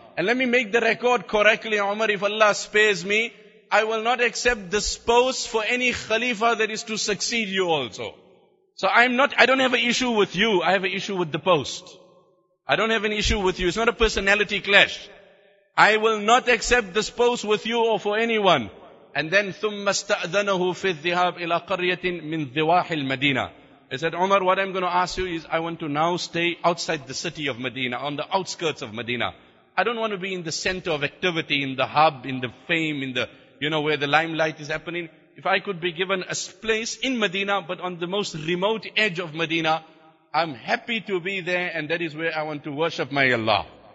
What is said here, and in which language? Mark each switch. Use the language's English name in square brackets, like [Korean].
[English] And let me make the record correctly, Umar, if Allah spares me, I will not accept this post for any Khalifa that is to succeed you also. So I don't have an issue with you, I have an issue with the post. I don't have an issue with you. It's not a personality clash. I will not accept this post with you or for anyone. And then, [Arabic] ثُمَّ اسْتَأْذَنَهُ فِي الذِّهَابِ إِلَىٰ قَرْيَةٍ مِنْ ذِوَاحِ الْمَدِينَةِ. [English] He said, Umar, what I'm going to ask you is, I want to now stay outside the city of Medina, on the outskirts of Medina. I don't want to be in the center of activity, in the hub, in the fame, in the, you know, where the limelight is happening. If I could be given a place in Medina, but on the most remote edge of Medina, I'm happy to be there, and that is where I want to worship my Allah.